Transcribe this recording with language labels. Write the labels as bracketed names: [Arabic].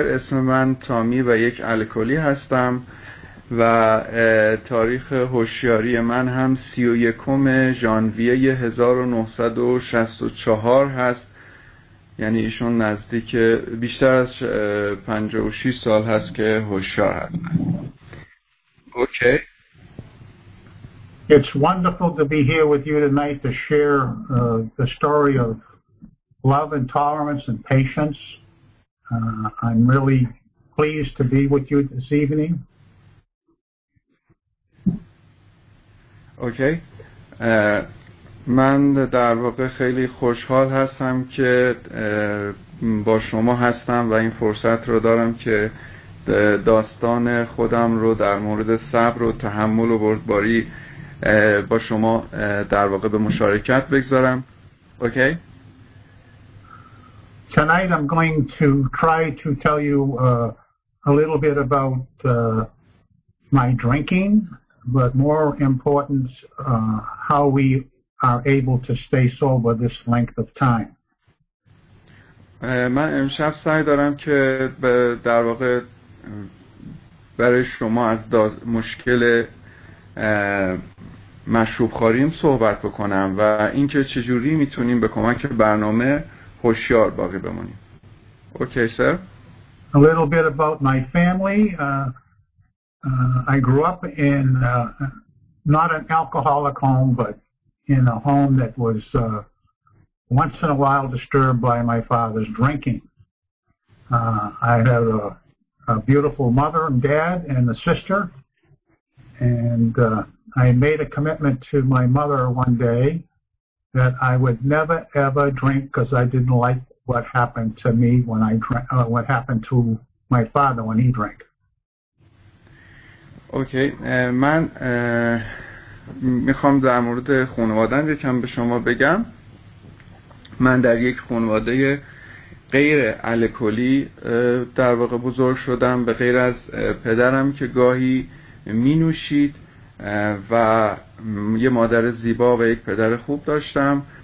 [Persian] اسم من تامی و یک الکلی هستم و تاریخ هوشیاری من هم 31 ژانویه 1964 هست، یعنی ایشون نزدیک بیشتر از 56 سال هست که هوشیار هست. اوکی، [English] It's wonderful to be here with you tonight to share the story of love and tolerance and patience. I'm really pleased to be with you this evening. [Persian] اوکی من در واقع خیلی خوشحال هستم که با شما هستم و این فرصت رو دارم که داستان خودم رو در مورد صبر و تحمل و بردباری با شما در واقع به مشارکت بگذارم. اوکی [English] Tonight I'm going to try to tell you a little bit about my drinking, but more important, how we are able to stay sober this length of time. [Persian] من امشب سعی دارم که در واقع برای شما از مشکل مشروب خوریم صحبت بکنم و اینکه چجوری میتونیم به کمک برنامه هوشیار باقی بمانیم. اوکی سر. [English] A little bit about my family. I grew up in not an alcoholic home, but in a home that was once in a while disturbed by my father's drinking. I had a beautiful mother and dad and a sister, and I made a commitment to my mother one day that I would never ever drink because I didn't like what happened to me when I drank, what happened to my father when he drank. [Persian] اوکی من میخوام در مورد خانواده‌ام یکم به شما بگم. من در یک خانواده غیر الکلی در واقع بزرگ شدم، به غیر از پدرم که گاهی مینوشید و یه مادر زیبا و یک پدر خوب داشتم.